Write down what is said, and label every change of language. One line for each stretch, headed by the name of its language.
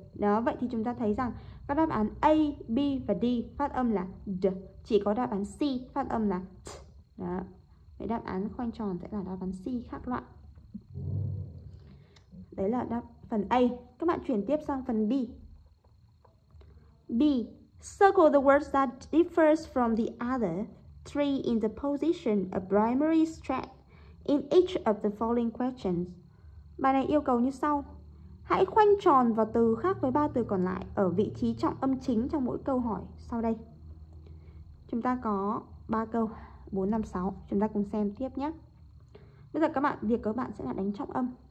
Vietnamese: Đó, vậy thì chúng ta thấy rằng các đáp án A, B và D phát âm là D, chỉ có đáp án C phát âm là T. Đó. Vậy đáp án khoanh tròn sẽ là đáp án C khác loại. Đấy là đáp phần A. Các bạn chuyển tiếp sang phần B. B.
English: Circle the words that differs from the other three in the position of primary stress in each of the following questions.
Vietnamese: Bài này yêu cầu như sau. Hãy khoanh tròn vào từ khác với ba từ còn lại ở vị trí trọng âm chính trong mỗi câu hỏi sau đây. Chúng ta có 3 câu, 4, 5, 6. Chúng ta cùng xem tiếp nhé. Bây giờ các bạn, việc các bạn sẽ là đánh trọng âm.